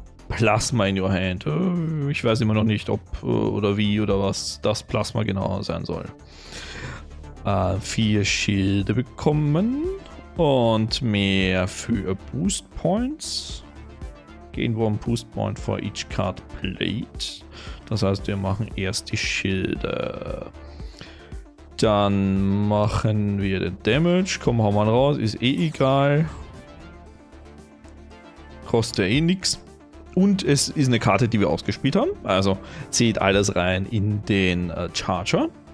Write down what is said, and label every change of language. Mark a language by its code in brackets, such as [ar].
[en] Plasma in your hand. [de] Ich weiß immer noch nicht, ob oder wie oder was das Plasma genau sein soll. 4 Schilde bekommen und mehr für Boost Points. [en] Gain 1 Boost Point for each card played. [de] Das heißt, wir machen erst die Schilde. Dann machen wir den Damage. Komm, hau mal raus. Ist eh egal. Kostet eh nichts. Und es ist eine Karte, die wir ausgespielt haben. Also zieht alles rein in den Charger.